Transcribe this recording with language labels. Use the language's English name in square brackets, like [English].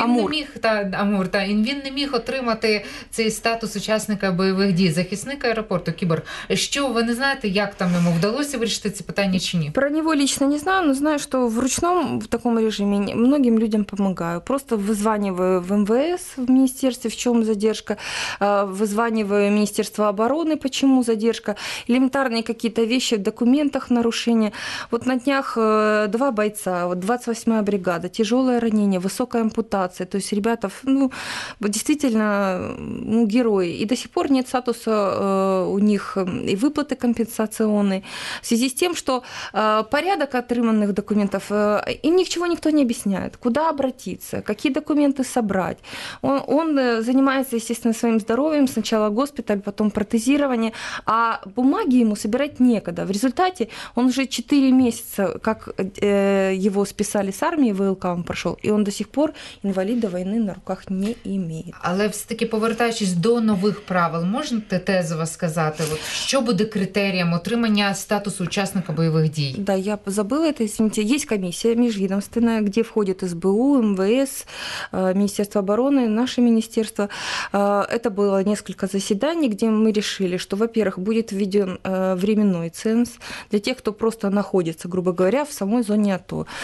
[Ukrainian] Амур. Не міг, він не міг отримати цей статус учасника бойових дій, захисника аеропорту, кіборг. Що, ви не знаєте, як там йому вдалося вирішити це питання чи ні? Про нього лично не знаю, але знаю, що в ручному, в такому режимі, багатьом людям допомагаю. Просто визвання [Russian] вызваниваю в МВС, в министерстве, в чем задержка, вызваниваю Министерство обороны, почему задержка, элементарные какие-то вещи в документах, нарушения. Вот на днях два бойца, вот 28-я бригада, тяжелое ранение, высокая ампутация, то есть ребята, ну, действительно, ну, герои, и до сих пор нет статуса у них и выплаты компенсационные, в связи с тем, что порядок отрыманных документов, им ничего никто не объясняет, куда обратиться, какие документы собрать. Он занимается, естественно, своим здоровьем, сначала госпиталь, потом протезирование, а бумаги ему собирать некогда. В результате он уже 4 месяца, как его списали с армии, ВЛК он прошел, и он до сих пор инвалида войны на руках не имеет. [Ukrainian] Але все-таки, повертаючись до нових правил, можна тезово сказати, от що буде критерієм отримання статусу учасника бойових дій? [Russian] Да, я забыла это, извините. Есть комиссия межведомственная, где входит СБУ, МВС, Министерство обороны, наше министерство. Это было несколько заседаний, где мы решили, что, во-первых, будет введен временной ценз для тех, кто просто находится, грубо говоря, в самой зоне АТО.